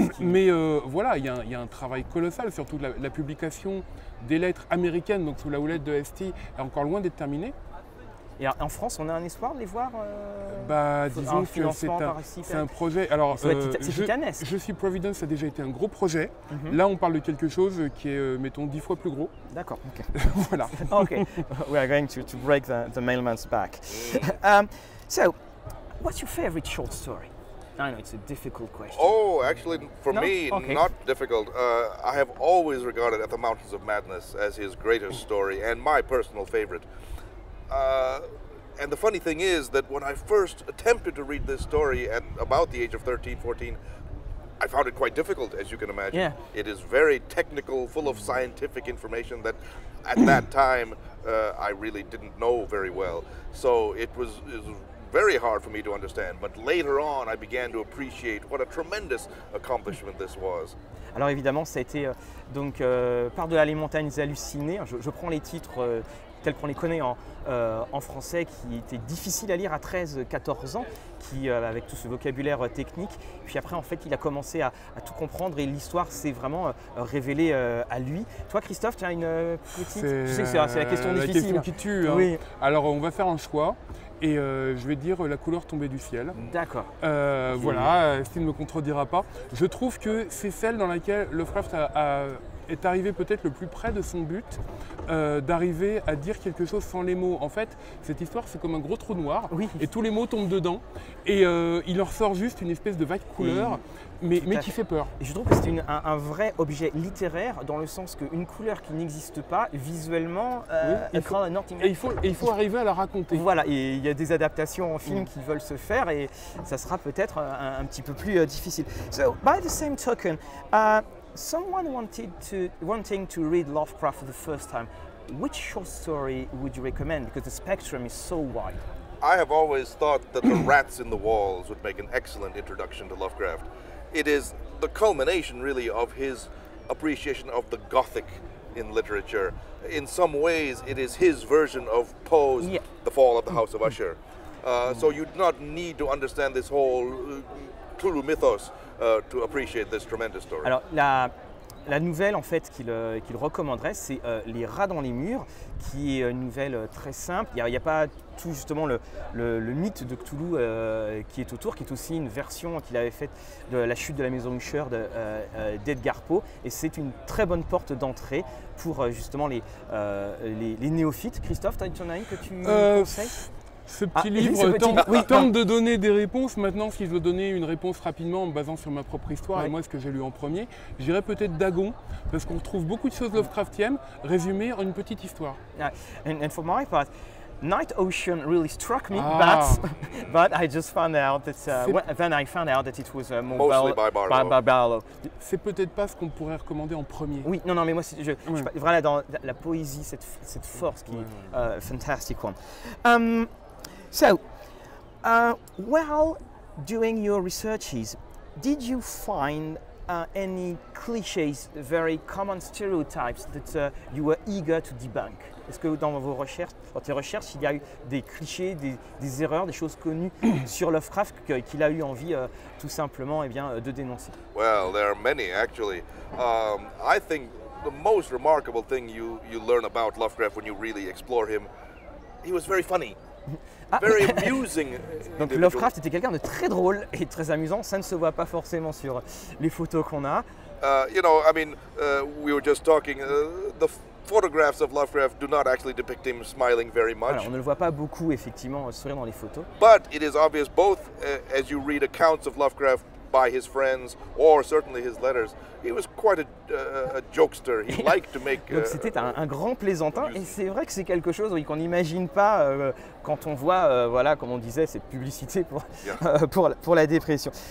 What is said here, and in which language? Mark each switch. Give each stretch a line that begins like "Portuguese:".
French: Mais voilà, il y a un travail colossal, surtout la publication des lettres américaines, donc sous la houlette de ST, est encore loin d'être terminée. Et en France, on a un espoir de les voir Disons que c'est un projet. Alors, c'est titanesque. Je Suis Providence a déjà été un gros projet. Mm-hmm. Là, on parle de quelque chose qui est, mettons, 10 fois plus gros. D'accord. Ok. Voilà. Ok.
English: We are going to break the mailman's back. So, what's your favorite short story? I know it's a difficult question. Oh, actually, for me, okay. Not difficult. I have always regarded At the Mountains of Madness as his greatest story and my personal favorite. And the funny thing is that when I first attempted to read this story at about the age of 13, 14, I found it quite difficult, as you can imagine. Yeah. It is very technical, full of scientific information that at that time I really didn't know very well. So it was very hard for me to understand. But later on, I began to appreciate what a tremendous accomplishment this was.
French: Alors évidemment, ça a été par-delà les montagnes hallucinées. Je prends les titres tels qu'on les connaît en français, qui était difficile à lire à 13-14 ans, avec tout ce vocabulaire technique. Puis après, en fait, il a commencé à tout comprendre et l'histoire s'est vraiment révélée à lui. Toi, Christophe, tu as une petite... C'est la question difficile. La question qui tue. Hein. Oui. Alors, on va faire un choix. et je vais dire La couleur tombée du ciel. D'accord. Voilà, Steve ne me contredira pas. Je trouve que c'est celle dans laquelle Lovecraft est arrivé peut-être le plus près de son but, d'arriver à dire quelque chose sans les mots. En fait, cette histoire, c'est comme un gros trou noir, oui. Et tous les mots tombent dedans, et il en ressort juste une espèce de vague couleur, mais qui fait peur. Je trouve que c'est un vrai objet littéraire, dans le sens qu'une couleur qui n'existe pas, visuellement, il faut arriver à la raconter. Voilà, et il y a des adaptations en film qui veulent se faire, et ça sera peut-être un petit peu plus difficile.
English: So, by the same token, someone wanting to read Lovecraft for the first time, which short story would you recommend? Because the spectrum is so wide. I have always thought that The Rats in the Walls would make an excellent introduction to Lovecraft. It is the culmination, really, of his appreciation of the Gothic in literature. In some ways, it is his version of Poe's The Fall of the House of Usher. So you do not need to understand this whole Cthulhu mythos to appreciate this tremendous story.
French: Alors, la nouvelle, en fait, qu'il recommanderait, c'est Les rats dans les murs, qui est une nouvelle très simple. Il n'y a pas tout justement le mythe de Cthulhu qui est autour, qui est aussi une version qu'il avait faite de la chute de la maison Usher d'Edgar Poe. Et c'est une très bonne porte d'entrée pour justement les néophytes. Christophe, tu en as une que tu conseilles? Ce petit livre tente de donner des réponses. Maintenant, si je veux donner une réponse rapidement en me basant sur ma propre histoire et moi, ce que j'ai lu en premier, j'irais peut-être Dagon, parce qu'on retrouve beaucoup de choses Lovecraftiennes résumées en une petite histoire.
English: And for my part, Night Ocean really struck me, but I just found out that it was mostly by Barlow.
French: C'est peut-être pas ce qu'on pourrait recommander en premier. Oui, non, mais moi, je vraiment dans la poésie, cette force qui est
English: fantastic one. So, while doing your researches, did you find any clichés, very common stereotypes that you were eager to debunk?
French: Est-ce que dans vos recherches, dans tes recherches, il y a eu des clichés, des erreurs, des choses connues sur Lovecraft qu'il a eu envie, tout simplement, de dénoncer?
English: Well, there are many, actually. I think the most remarkable thing you learn about Lovecraft when you really explore him, he was very funny. Very amusing.
French: Donc Lovecraft était quelqu'un de très drôle et très amusant. Ça ne se voit pas forcément sur les photos qu'on a.
English: We were just talking. The photographs of Lovecraft do not actually depict him smiling very much.
French: Alors, on ne le voit pas beaucoup effectivement sourire dans les photos.
English: But it is obvious both as you read accounts of Lovecraft by his friends or certainly his letters, he was quite a jokester. He liked to make.
French: Donc c'était un grand plaisantin, et c'est vrai que c'est quelque chose qu'on n'imagine pas quand on voit, comme on disait, cette publicité pour la dépression.